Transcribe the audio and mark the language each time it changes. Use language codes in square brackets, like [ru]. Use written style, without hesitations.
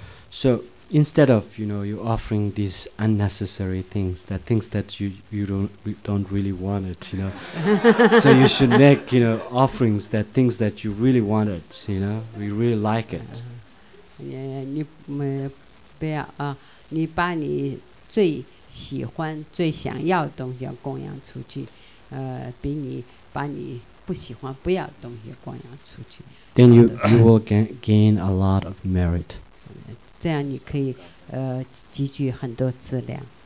[en] So instead of you know you offering these unnecessary things that things that you don't really want it you know so you should make you know offerings that things that you really want it you know we really like it [zh] 你不要啊你把你最喜欢最想要的东西供养出去比你把你不喜欢不要的东西供养出去 [en] then you will gain a lot of merit [zh] 这样你可以积聚很多资粮